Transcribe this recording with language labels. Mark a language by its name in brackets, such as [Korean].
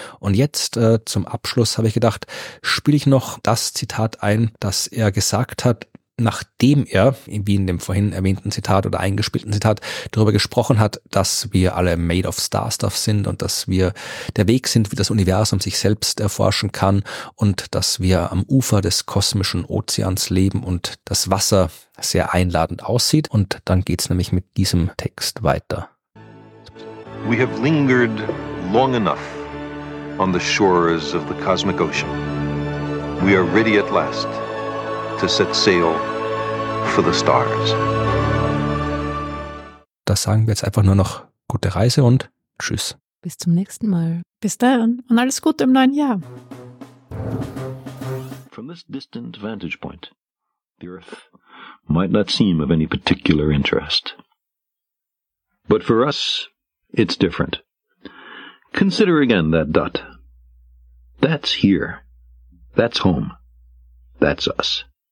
[German] Und jetzt zum Abschluss habe ich gedacht, spiele ich noch das Zitat ein, das er gesagt hat, nachdem er, wie in dem vorhin erwähnten Zitat oder eingespielten Zitat, darüber gesprochen hat, dass wir alle [English] made of star stuff [German] sind und dass wir der Weg sind, wie das Universum sich selbst erforschen kann und dass wir am Ufer des kosmischen Ozeans leben und das Wasser sehr einladend aussieht. Und dann geht's nämlich mit diesem Text weiter. [English] We have lingered long enough on the shores of the cosmic ocean. We are ready at last to set sail for the stars. [German] Das sagen wir jetzt einfach nur noch gute Reise und tschüss. Bis zum nächsten Mal. Bis dann und alles Gute im neuen Jahr. [English] From this distant vantage point, the Earth might not seem of any particular interest. But for us, it's different. Consider again that dot. That's here. That's home. That's us.